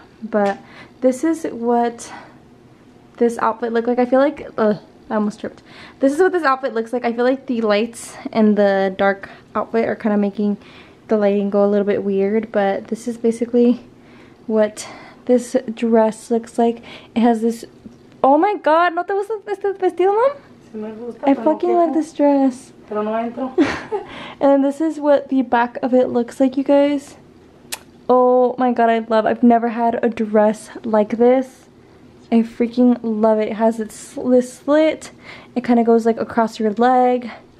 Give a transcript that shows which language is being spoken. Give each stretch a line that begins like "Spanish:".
English: But this is what this outfit looked like. I feel like, I almost tripped. This is what this outfit looks like. I feel like the lights and the dark outfit are kind of making the lighting go a little bit weird, but this is basically what this dress looks like. It has this, oh my god,
Spanish: ¿no te gusta este vestido,
English: mom? I fucking love this dress. And then this is what the back of it looks like, you guys. Oh my god, I love, I've never had a dress like this. It's I freaking love it. It has this slit. It kind of goes like across your leg.